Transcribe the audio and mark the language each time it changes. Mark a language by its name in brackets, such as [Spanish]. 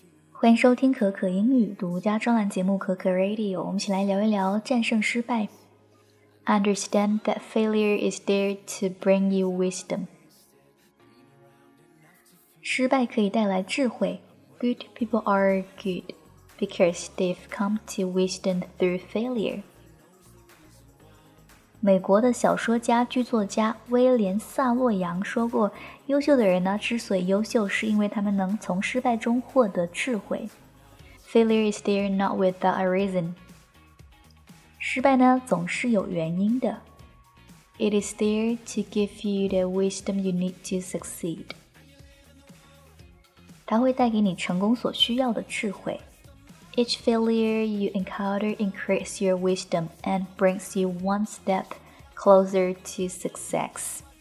[Chinese] 欢迎收听可可英语独家专栏节目可可 Radio， 我们一起来聊一聊战胜失败。 [English] Understand that failure is there to bring you wisdom. [Chinese] 失败可以带来智慧。 [English] Good people are good because they've come to wisdom through failure. [Chinese] 美国的小说家、剧作家威廉·萨洛扬说过，优秀的人呢，之所以优秀，是因为他们能从失败中获得智慧。 [English] Failure is there not without a reason. [Chinese] 失败呢，总是有原因的。 [English] It is there to give you the wisdom you need to succeed. [Chinese] 它会带给你成功所需要的智慧。 [English] Each failure you encounter increases your wisdom and brings you one step closer to success.